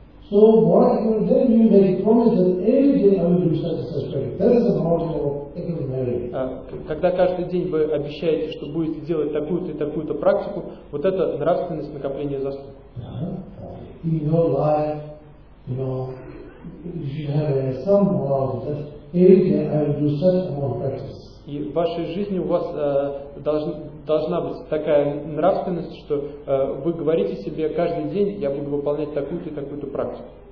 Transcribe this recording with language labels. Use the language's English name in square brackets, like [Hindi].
[English] So what you then you make promise that every day I will do such a thing. That is the moral of equanimity. [Russian] Когда каждый день вы обещаете, что будете делать такую-то и такую-то практику, вот это нравственность накопления заслуг. [English] In your life, you know, you should have some moral that every day I will do such a moral practice. [Russian] И в вашей жизни у вас должна быть такая нравственность, что вы говорите себе каждый день, я буду выполнять такую-то и такую-то практику.